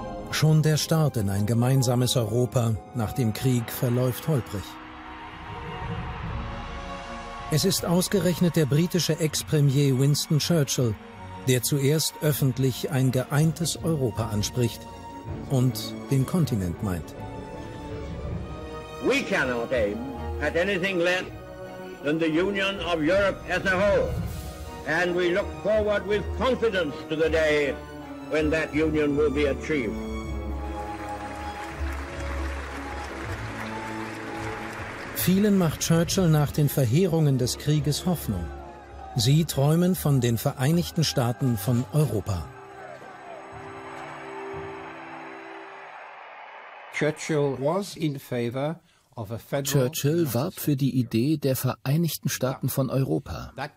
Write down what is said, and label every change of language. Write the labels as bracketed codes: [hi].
[de] Schon der Start in ein gemeinsames Europa nach dem Krieg verläuft holprig. Es ist ausgerechnet der britische Ex-Premier Winston Churchill, der zuerst öffentlich ein geeintes Europa anspricht und den Kontinent meint. [en] We cannot aim at anything less than the union of Europe as a whole. And we look forward with confidence to the day when that union will be achieved. [de] Vielen macht Churchill nach den Verheerungen des Krieges Hoffnung. Sie träumen von den Vereinigten Staaten von Europa. Churchill warb für die Idee der Vereinigten Staaten von Europa.